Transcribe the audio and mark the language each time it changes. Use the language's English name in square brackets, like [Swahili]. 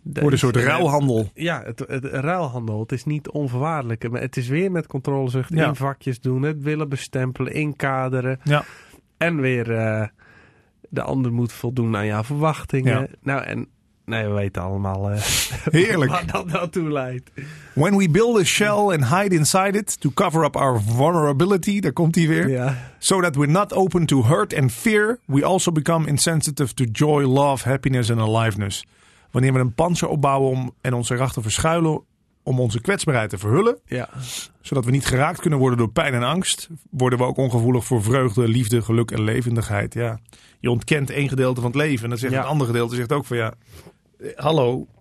[Dutch] Voor een soort ruilhandel. Ja, het ruilhandel. Het is niet onvoorwaardelijk. Maar het is weer met controle zucht in vakjes doen. Het willen bestempelen, inkaderen. Ja. En weer de ander moet voldoen aan jouw verwachtingen. Ja. Nou, en Nee, we weten allemaal heerlijk waar dat naartoe leidt. [English] When we build a shell and hide inside it to cover up our vulnerability. [Dutch] Daar komt hij weer. Ja. [English] So that we're not open to hurt and fear. We also become insensitive to joy, love, happiness and aliveness. [Dutch] Wanneer we een panzer opbouwen om en ons erachter verschuilen om onze kwetsbaarheid te verhullen. Ja. Zodat we niet geraakt kunnen worden door pijn en angst. Worden we ook ongevoelig voor vreugde, liefde, geluk en levendigheid. Ja. Je ontkent één gedeelte van het leven. En dan zegt het andere gedeelte zegt ook van ja, hallo.